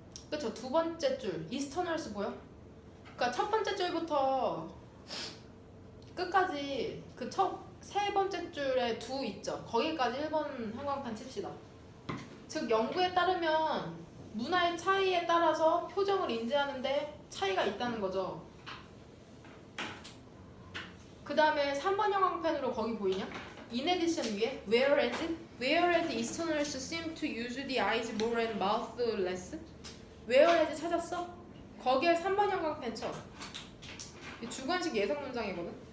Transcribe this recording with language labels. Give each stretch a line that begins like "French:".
Korean: 그쵸, 두 번째 줄. 이스터널스 보여? 그니까 첫 번째 줄부터 끝까지 그 첫 세 번째 줄에 두 있죠. 거기까지 1번 형광판 칩시다. 즉 연구에 따르면 문화의 차이에 따라서 표정을 인지하는데 차이가 있다는 거죠. 그 다음에 3번 형광펜으로 거기 보이냐?
English: In addition
Korean: 위에
English: whereas? Whereas Easterners seem to use the eyes more and mouth less?
Korean: Whereas 찾았어? 거기에 3번 형광펜 쳐. 주관식 예상 문장이거든?